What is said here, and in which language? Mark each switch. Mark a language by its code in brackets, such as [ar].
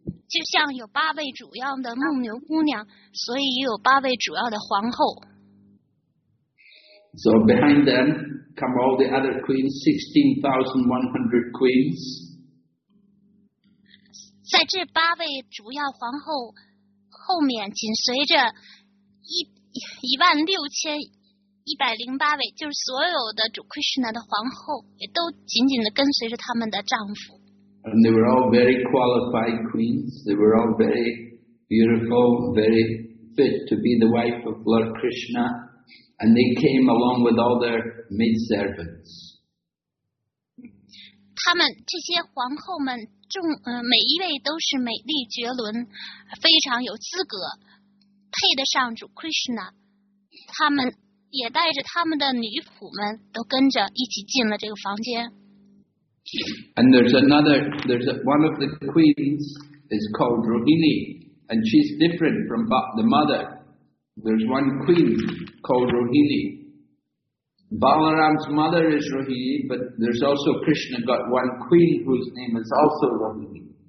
[zh] 就像有八位主要的牧牛姑娘，所以也有八位主要的皇后。 [en] So behind them come all the other queens, 16,100 queens. [zh] 在这八位主要皇后后面，紧随着16,108位，就是所有的主 Krishna 的皇后，也都紧紧地跟随着他们的丈夫。 [en] And they were all very qualified queens. They were all very beautiful, very fit to be the wife of Lord Krishna. And they came along with all their maidservants. [zh] 他们这些皇后们众，每一位都是美丽绝伦，非常有资格，配得上主 Krishna。他们。也带着他们的女仆们都跟着一起进了这个房间。 [en] And there's another, there's one of the queens is called Rohini, and she's different from the mother. There's one queen called Rohini. Balaram's mother is Rohini, but there's also Krishna got one queen whose name is also Rohini.